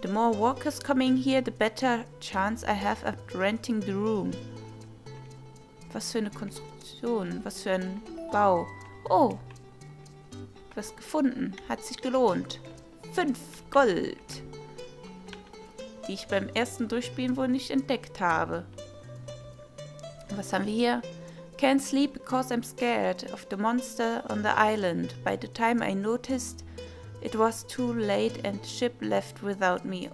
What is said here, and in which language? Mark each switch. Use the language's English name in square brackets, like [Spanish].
[English] The more workers coming here, the better chance I have of renting the room. [German] Was für eine Konstruktion, was für ein Bau. Oh, was gefunden. Hat sich gelohnt. 5 Gold. Die ich beim ersten Durchspielen wohl nicht entdeckt habe. Was haben wir hier? [English] Can't sleep because I'm scared of the monster on the island. By the time I noticed, it was too late and the ship left without me.